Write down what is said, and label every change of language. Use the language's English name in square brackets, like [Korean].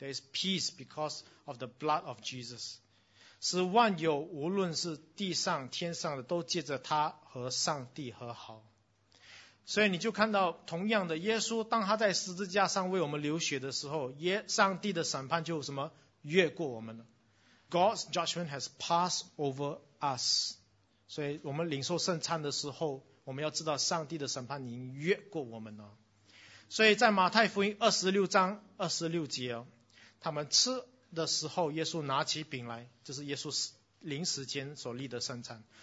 [English] There is peace because of the blood of Jesus， [Chinese] 使万有无论是地上天上的都借着他和上帝和好。所以你就看到同样的，耶稣当他在十字架上为我们流血的时候，上帝的审判就什么越过我们了。 [English] God's judgment has passed over us. [Chinese] 所以我们领受圣餐的时候，我们要知道上帝的审判已经越过我们了。所以在马太福音二十六章二十六节，他们吃的时候，耶稣拿起饼来，这是耶稣临时间所立的圣餐。